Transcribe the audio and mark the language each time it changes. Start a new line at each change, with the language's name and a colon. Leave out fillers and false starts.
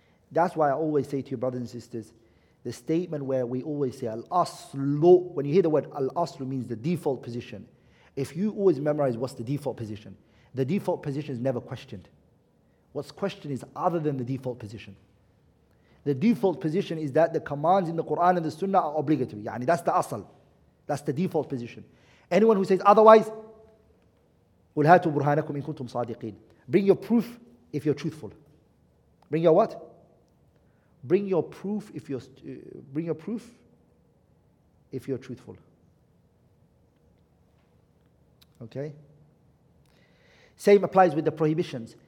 English: That's why I always say to you, brothers and sisters, the statement where we always say al-aslu, when you hear the word al-aslu, means the default position. If you always memorize what's the default position is never questioned. What's questioned is other than the default position. The default position is that the commands in the Quran and the Sunnah are obligatory. Yani that's the asal. That's the default position. Anyone who says otherwise,
Arabic: قُلْ هَاتُوا بُرْهَانَكُمْ إِن كُنْتُمْ صَادِقِينَ.
English: Bring your proof if you're truthful. Bring your what? Bring your proof if you're truthful. Okay? Same applies with the prohibitions.